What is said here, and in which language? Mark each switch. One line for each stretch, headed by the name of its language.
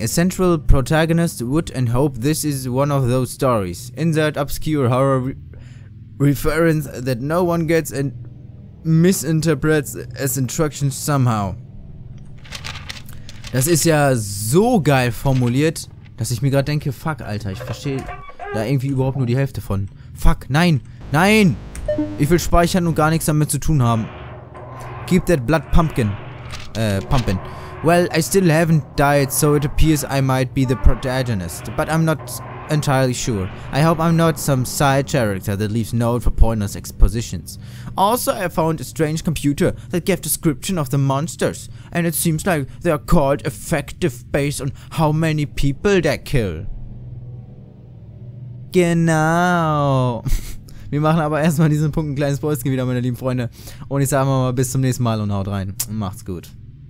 English: A central protagonist would and hope this is one of those stories. Insert obscure horror reference that no one gets and misinterprets as instructions somehow.
German: Das ist ja so geil formuliert, dass ich mir gerade denke, fuck, Alter, ich verstehe da irgendwie überhaupt nur die Hälfte von. Fuck, nein, nein! Ich will speichern und gar nichts damit zu tun haben.
English: Keep that blood pumpkin. Pumpkin. Well, I still haven't died, so it appears I might be the protagonist, but I'm not entirely sure. I hope I'm not some side character that leaves note for pointless expositions. Also, I found a strange computer that gave description of the monsters, and it seems like they are called effective based on how many people they kill.
German: Genau. Wir machen aber erstmal diesen Punkt ein kleines Päuschen wieder, meine lieben Freunde. Und ich sage mal bis zum nächsten Mal und haut rein. Macht's gut.